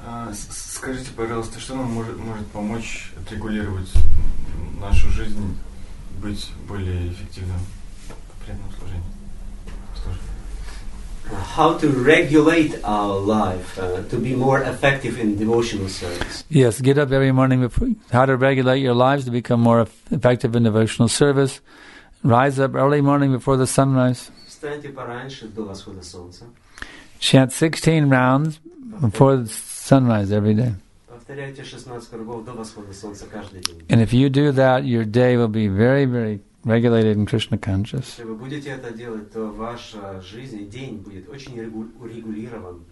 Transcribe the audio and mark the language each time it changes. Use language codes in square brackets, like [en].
[ru] Скажите, пожалуйста, что нам может помочь отрегулировать нашу жизнь, быть более эффективным в преданном служении? [en] How to regulate our life to be more effective in devotional service. Yes, get up every morning before. How to regulate your lives to become more effective in devotional service. Rise up early morning before the sunrise. [ru] Встаньте пораньше до восхода солнца. [en] Chant 16 rounds before the sunrise every day. [ru] Повторяйте 16 кругов до восхода солнца каждый день. [en] And if you do that, your day will be very, very regulated in Krishna conscious. [ru] Если вы будете это делать, то ваша жизнь, день будет очень урегулирован.